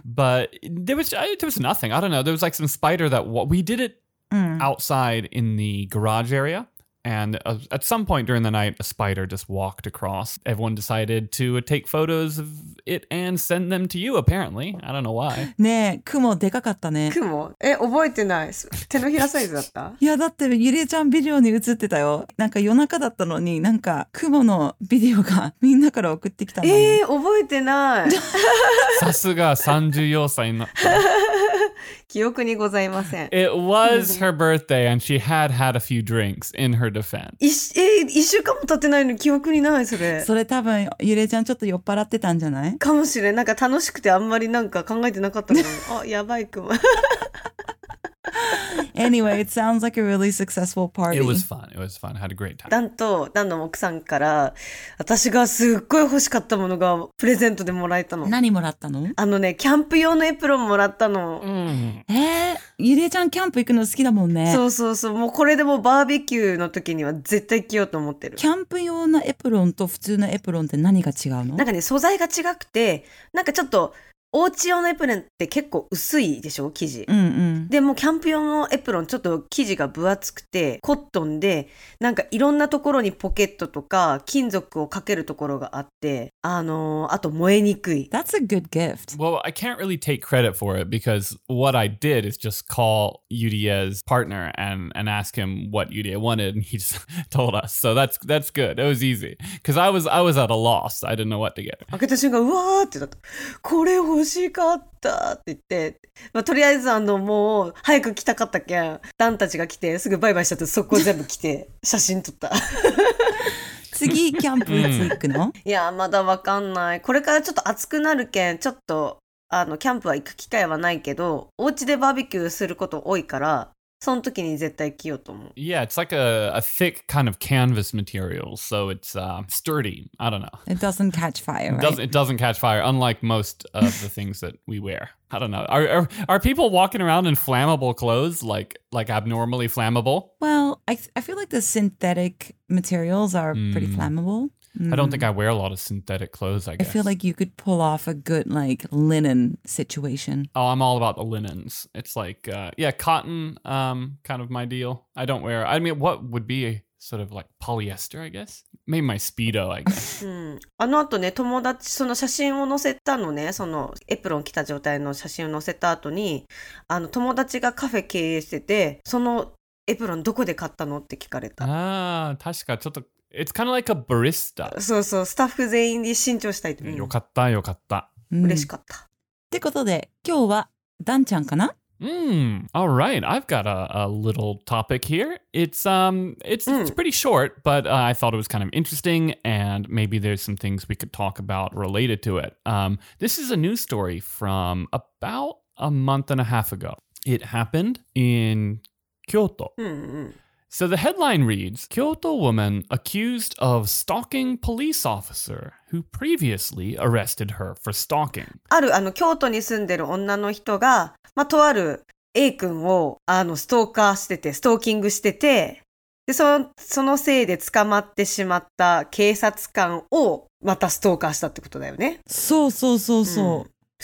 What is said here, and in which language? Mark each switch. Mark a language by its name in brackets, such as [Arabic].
[English] But there was nothing. I don't know. There was like some spider that we did it outside in the garage area. And at some point during the night, a spider just walked across. Everyone decided to take photos of it and send them to you, apparently. I don't know why. [Japanese] ねえ、雲でかかったね。雲?え、覚えてない。手のひらサイズだった? いや、だってゆりえちゃんビデオに映ってたよ。なんか夜中だったのに、なんか雲のビデオがみんなから送ってきたのに。覚えてない。さすが34歳の。記憶にございません。 [English] It was her birthday and she had had a few drinks in her defense. [Japanese] 一週間も経ってないのに記憶にないそれ。それ多分ゆれちゃんちょっと酔っ払ってたんじゃない? かもしれん。なんか楽しくてあんまりなんか考えてなかったから。あ、やばいくん。 [English] Anyway, it sounds like a really successful party. It was fun. It was fun. I had a great time. [Japanese] ダンとダンの奥さんから私がすっごい欲しかったものがプレゼントでもらえたの。何もらったの? あのね、キャンプ用のエプロンもらったの。ゆりえちゃんキャンプ行くの好きだもんね。そうそうそう。もうこれでもバーベキューの時には絶対着ようと思ってる。キャンプ用のエプロンと普通のエプロンって何が違うの? なんかね、素材が違くて、なんかちょっとおうち用のエプロンって結構薄いでしょ生地、うんうん、でもキャンプ用のエプロンちょっと生地が分厚くてコットンでなんかいろんなところにポケットとか金属をかけるところがあってあと燃えにくい [English] That's a good gift Well I can't really take credit for it because what I did is just call Yuria's partner and ask him what Yuria wanted and he just told us so that's good, it was easy because I was at a loss, I didn't know what to get [Japanese] 開けた瞬間うわーってなったこれ欲しかったって言って、まあ、とりあえずもう早く来たかったけん、ダンたちが来てすぐバイバイしたってそこ全部来て写真撮った。次キャンプいつ行くの？いやまだわかんない。これからちょっと暑くなるけん、ちょっとキャンプは行く機会はないけど、お家でバーベキューすること多いから、その時に絶対着ようと思う。 [English] Yeah, it's like a thick kind of canvas material, so it's sturdy. I don't know. It doesn't catch fire, right? It doesn't catch fire, unlike most of the things that we wear. I don't know. Are people walking around in flammable clothes, like abnormally flammable? Well, I feel like the synthetic materials are pretty flammable. Mm. I don't think I wear a lot of synthetic clothes, I guess. I feel like you could pull off a good, like, linen situation. Oh, I'm all about the linens. It's like, cotton, kind of my deal. I don't wear, I mean, what would be sort of like polyester, I guess? Maybe my Speedo, I guess. [Japanese] あの後ね、友達、その写真を載せたのね、そのエプロン着た状態の写真を載せた後に、友達がカフェ経営してて、そのエプロンどこで買ったのって聞かれた。ああ、確かちょっと、 [English] It's kind of like a barista. [Japanese] そうそう、スタッフ全員に新調したいと思う。よかった、よかった。嬉しかった。ってことで、今日はダンちゃんかな？ [English] All right. I've got a little topic here. It's pretty short, but I thought it was kind of interesting, and maybe there's some things we could talk about related to it. This is a news story from about a month and a half ago. It happened in Kyoto. So the headline reads, Kyoto woman accused of stalking police officer who previously arrested her for stalking. [Japanese] ある京都に住んでる女の人が、まあ、とある A 君をストーカーしてて、ストーキングしてて、で、そのせいで捕まってしまった警察官をまたストーカーしたってことだよね。そうそうそうそう。